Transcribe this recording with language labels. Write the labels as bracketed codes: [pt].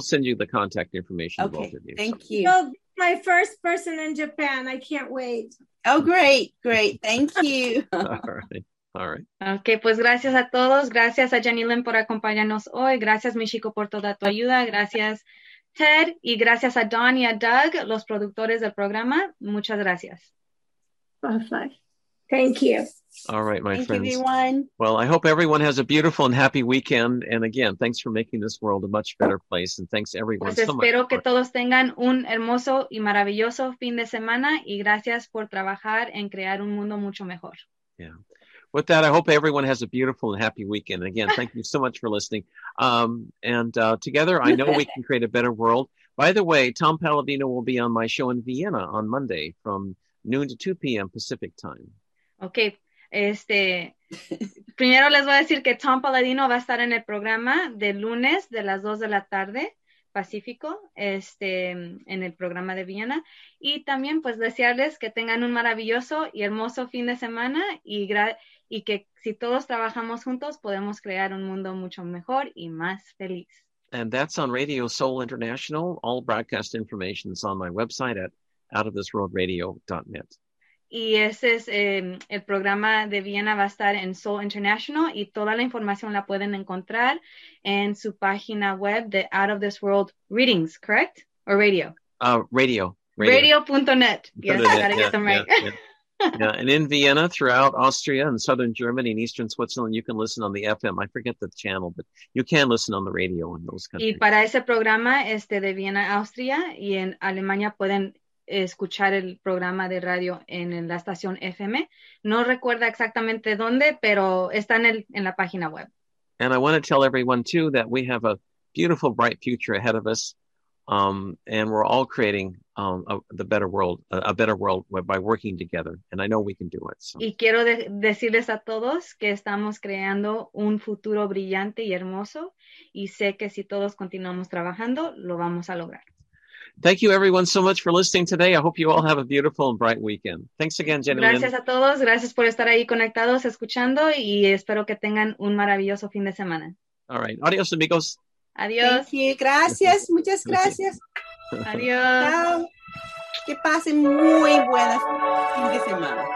[en] send you the contact information of both of you. Thank you. You're my first person in Japan. I can't wait. Oh, great. Thank you. All right. [es] Okay, pues gracias a todos. Gracias a Jenny Lynn por acompañarnos hoy. Gracias, Michiko, por toda tu ayuda. Gracias, Ted. Y gracias a Don y a Doug, los productores del programa. Muchas gracias. [en] Bye-bye. Thank you. All right, my thank friends. Thank you, everyone. Well, I hope everyone has a beautiful and happy weekend. And again, thanks for making this world a much better place. And thanks, everyone, [es] pues [en] so much. [es] Espero que todos tengan un hermoso y maravilloso fin de semana. Y gracias por trabajar en crear un mundo mucho mejor. [en] Yeah. With that, I hope everyone has a beautiful and happy weekend. And again, thank you so much for listening. Together, I know we can create a better world. By the way, Tom Palladino will be on my show in Vienna on Monday from noon to 2 p.m. Pacific time. Okay. [es] Primero les voy a decir que Tom Palladino va a estar en el programa de lunes de las 2 de la tarde Pacífico, en el programa de Viena, y también pues desearles que tengan un maravilloso y hermoso fin de semana y que si todos trabajamos juntos podemos crear un mundo mucho mejor y más feliz. [en] And that's on Radio Soul International. All broadcast information is on my website at outofthisworldradio.net. [es] Y ese es el programa de Viena va a estar en Soul International y toda la información la pueden encontrar en su página web de Out of This World Readings, correct? [en] Or radio? Radio. Radio.net. Yes, I gotta get them right. Yeah, and in Vienna, throughout Austria and southern Germany and eastern Switzerland, you can listen on the FM. I forget the channel, but you can listen on the radio in those countries. [es] Y para ese programa de Viena, Austria y en Alemania pueden escuchar el programa de radio en la estación FM. No recuerda exactamente dónde, pero está en la página web. [en] And I want to tell everyone too that we have a beautiful, bright future ahead of us, and we're all creating a better world by working together. And I know we can do it. So. [es] Y quiero decirles a todos que estamos creando un futuro brillante y hermoso, y sé que si todos continuamos trabajando, lo vamos a lograr. [en] Thank you, everyone, so much for listening today. I hope you all have a beautiful and bright weekend. Thanks again, Jenny. [es] Gracias a todos. Gracias por estar ahí conectados, escuchando, y espero que tengan un maravilloso fin de semana. [en] All right. [es] Adios, amigos. Adios. [en] Thank you. [es] Gracias. Muchas gracias. Adios. Chao. Que pasen muy buena fin de semana.